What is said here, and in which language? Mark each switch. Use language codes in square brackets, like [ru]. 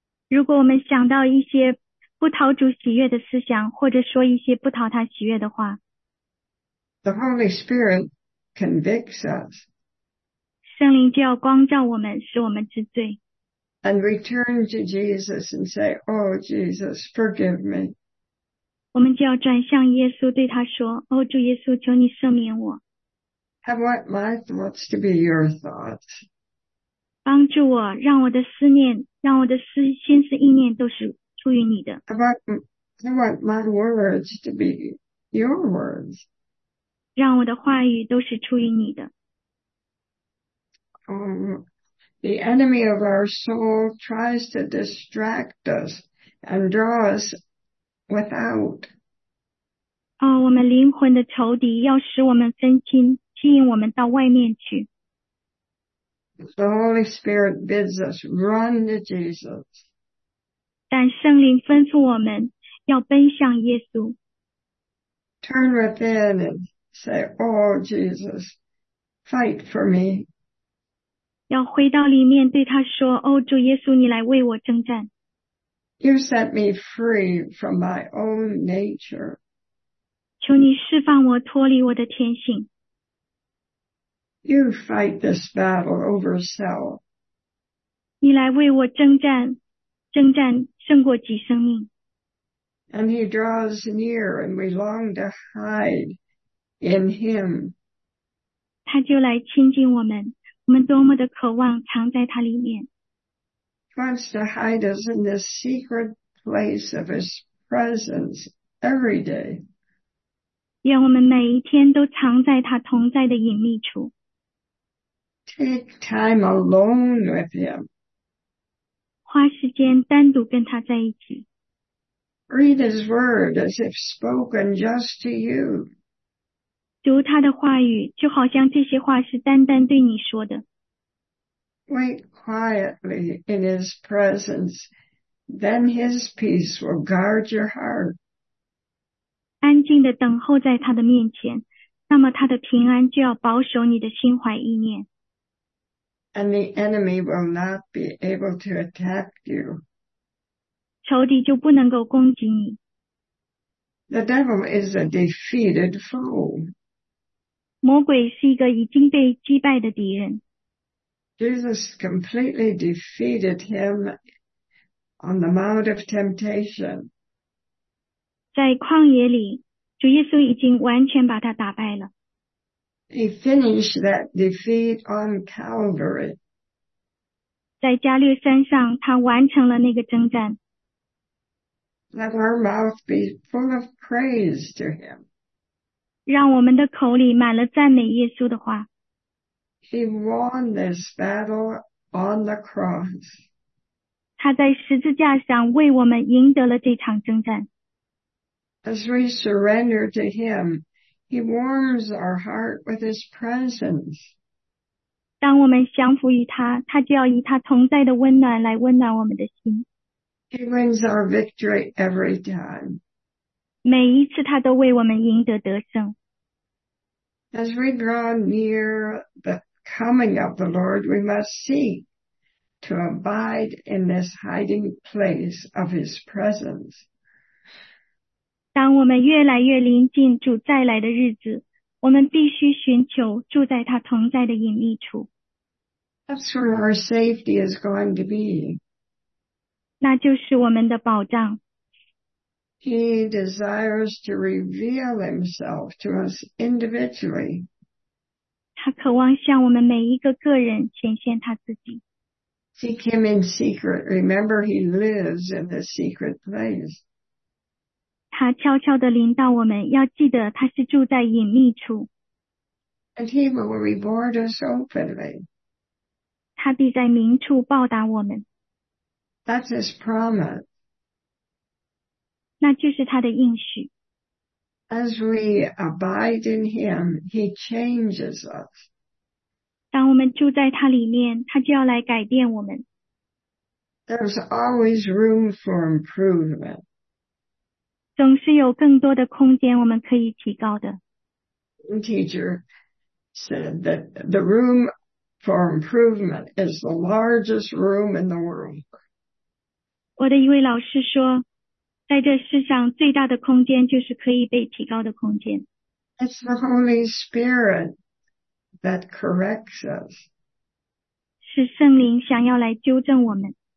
[zh] 如果我们想到一些不讨主喜悦的思想，或者说一些不讨他喜悦的话， [en] The Holy Spirit convicts us. [zh] 圣灵就要光照我们，使我们知罪。 [en] And we turn to Jesus and say, Oh, Jesus, forgive me. [zh] 我们就要转向耶稣，对他说，哦，主耶稣，求你赦免我。 [en] I want my thoughts to be your thoughts. [zh] 帮助我，让我的思念，让我的思心思意念都是出于你的。 [en] I want my words to be your words. [zh] 让我的话语都是出于你的。 [en] The enemy of our soul tries to distract us and draw us without. [zh] 哦，我们灵魂的仇敌要使我们分心，吸引我们到外面去。 [en] The Holy Spirit bids us run to Jesus. [zh] 但圣灵吩咐我们要奔向耶稣。 [en] Turn within and say, Oh, Jesus, fight for me. [zh] 要回到里面对他说，哦，主耶稣，你来为我征战。 [en] You set me free from my own nature. [zh] 求你释放我，脱离我的天性。 [en] You fight this battle over self. [zh] 你来为我征战，征战胜过己生命。 [en] And he draws near and we long to hide in him. [zh] 他就来亲近我们，我们多么的渴望藏在他里面。 [en] He wants to hide us in the secret place of his presence every day. [zh] 愿我们每一天都藏在他同在的隐秘处。 [en] Take time alone with him. [zh] 花时间单独跟他在一起。 [en] Read his word as if spoken just to you. [zh] 读他的话语，就好像这些话是单单对你说的。 [en] Wait quietly in his presence, then his peace will guard your heart. [zh] 安静地等候在他的面前，那么他的平安就要保守你的心怀意念。 [en] And the enemy will not be able to attack you. [zh] 仇敌就不能够攻击你。 [en] The devil is a defeated foe. [zh] 魔鬼是一个已经被击败的敌人。 [en] Jesus completely defeated him on the Mount of Temptation. [zh] 在旷野里，主耶稣已经完全把他打败了。 [en] He finished that defeat on Calvary. [zh] 在加略山上，他完成了那个征战。 [en] Let our mouth be full of praise to him. [zh] 让我们的口里满了赞美耶稣的话。 [en] He won this battle on the cross. [zh] 他在十字架上为我们赢得了这场征战。 [en] As we surrender to him, He warms our heart with His presence. [zh] 当我们降服于他，他就要以他同在的温暖来温暖我们的心。 [en] He wins our victory every time. [zh] 每一次他都为我们赢得得胜。 [en] As we draw near the coming of the Lord, we must seek to abide in this hiding place of His presence. [zh] 当我们越来越临近主再来的日子，我们必须寻求住在他同在的隐秘处。 [en] That's where our safety is going to be. [zh] 那就是我们的保障。 [en] He desires to reveal himself to us individually. [zh] 他渴望向我们每一个个人显现他自己。 [en] Seek him in secret. Remember, he lives in the secret place. [zh] 他悄悄地临到我们，要记得他是住在隐秘处。 [en] And he will reward us openly. [zh] 他必在明处报答我们。 [en] That's his promise. [zh] 那就是他的应许。 [en] As we abide in him, he changes us. [zh] 当我们住在他里面，他就要来改变我们。 [en] There's always room for improvement. [zh] 总是有更多的空间我们可以提高的。 [en] Teacher said that the room for improvement is the largest room in the world. [zh] 我的一位老师说，在这世上最大的空间就是可以被提高的空间。 [en] It's the Holy Spirit that corrects us. [zh] 是圣灵想要来纠正我们。